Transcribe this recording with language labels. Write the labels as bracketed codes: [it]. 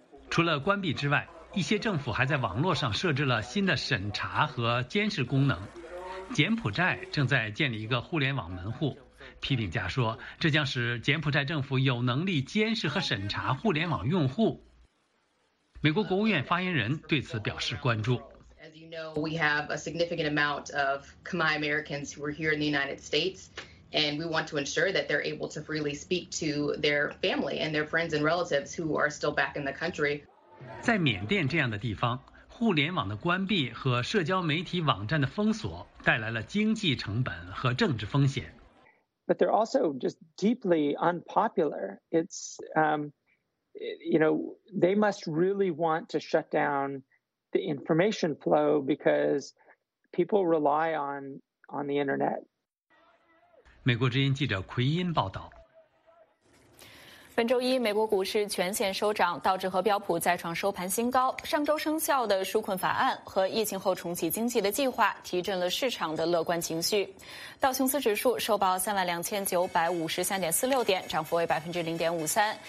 [zh] 除了关闭之外，一些政府还在网络上设置了新的审查和监视功能。柬埔寨正在建立一个互联网门户，批评家说，这将使柬埔寨政府有能力监视和审查互联网用户。美国国务院发言人对此表示关注。 [en] As you know, we have a significant amount of Khmer Americans who are here in the United States, and we want to ensure that they're able to freely speak to their family and their friends and relatives who are still back in the country. [zh] 在缅甸这样的地方，互联网的关闭和社交媒体网站的封锁带来了经济成本和政治风险。 [en] But they're also just deeply unpopular. It's, you know, they must really want to shut down the information flow because people rely on the internet. [zh] 美国之音记者奎因报道。本周一，美国股市全线收涨，道指和标普再创收盘新高。上周生效的纾困法案和疫情后重启经济的计划提振了市场的乐观情绪。道琼斯指数收报 32,953.46 点，涨幅为 0.53%。